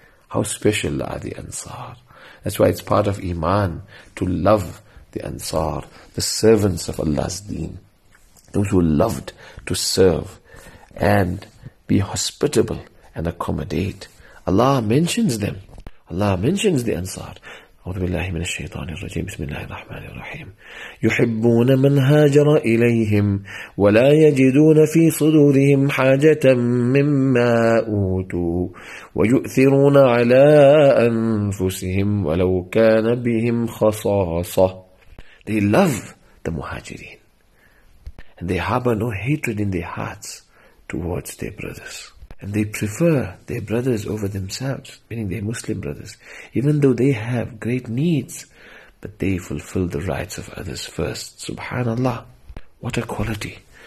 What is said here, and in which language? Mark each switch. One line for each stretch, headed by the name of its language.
English: How special are the ansar. That's why it's part of iman to love the ansar, the servants of Allah's deen, those who loved to serve and be hospitable and accommodate. Allah mentions them. Allah mentions the Ansar.
Arabic: أعوذ بالله من الشيطان الرجيم بسم الله الرحمن الرحيم يحبون من هاجر إليهم ولا يجدون في صدورهم حاجة مما أوتوا ويؤثرون على أنفسهم ولو كان بهم خصاصة.
English: They love the muhajirin and they harbor no hatred in their hearts towards their brothers. And they prefer their brothers over themselves, meaning their Muslim brothers, even though they have great needs, but they fulfill the rights of others first. Subhanallah. What a quality.